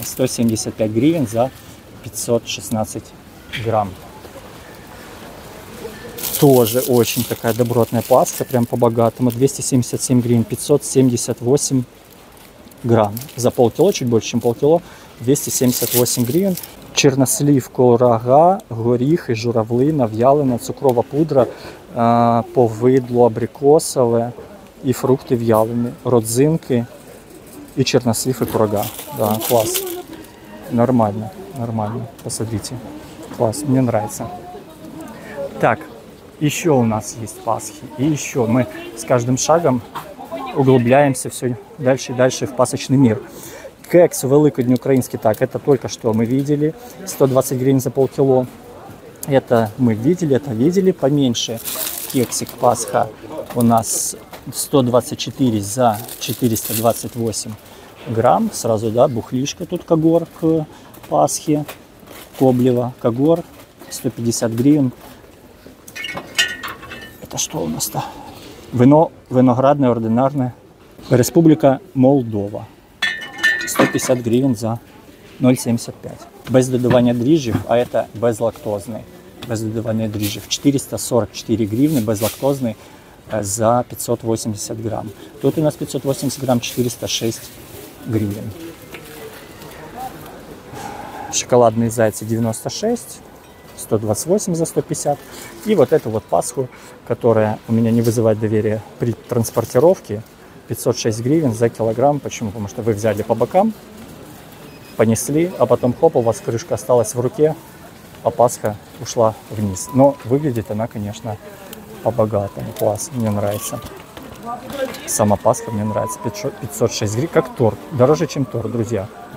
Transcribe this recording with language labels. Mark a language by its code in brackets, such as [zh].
[ru] 175 гривен за 516 грамм. Тоже очень такая добротная Пасха, прям по-богатому. 277 гривен, 578 грамм. За полкило, чуть больше, чем полкило, 278 гривен. [uk] Чернослив, курага, горіхи, журавлина, в'ялина, цукрова пудра, повидло, абрикосове і фрукти в'ялені, родзинки і чернослив, і курага. [ru] Да, клас. Нормально, нормально. Посмотрите. Клас, мені нравится. [uk] Так, ще у нас є Пасхи. І ще ми з кожним шагом углубляємося все далі і далі в пасочний мир. Кекс Великодні український, так, [ru] это только что мы видели, 120 гривен за полкило. Это мы видели, это видели, поменьше кексик Пасха у нас 124 за 428 грамм. Сразу, да, бухлишка тут Кагор к Пасхе, Коблева Кагор, 150 гривен. Это что у нас-то? Вино, виноградное, ординарное, Республика Молдова. 150 гривен за 0,75. [uk] Без додавання дріжджів, а це безлактозний. Без додавання дріжджів. 444 гривни безлактозний за 580 грам. Тут у нас 580 грам, 406 гривен. Шоколадний зайці 96, 128 за 150. І от цю вот Пасху, яка у мене не викликає довір'я при транспортировці, 506 гривен за килограмм. [ru] Почему? Потому что вы взяли по бокам, понесли, а потом хоп, у вас крышка осталась в руке, а Пасха ушла вниз. Но выглядит она, конечно, по-богатому. Класс, мне нравится. Сама Пасха мне нравится. 506 гривен, как торт. Дороже, чем торт, друзья.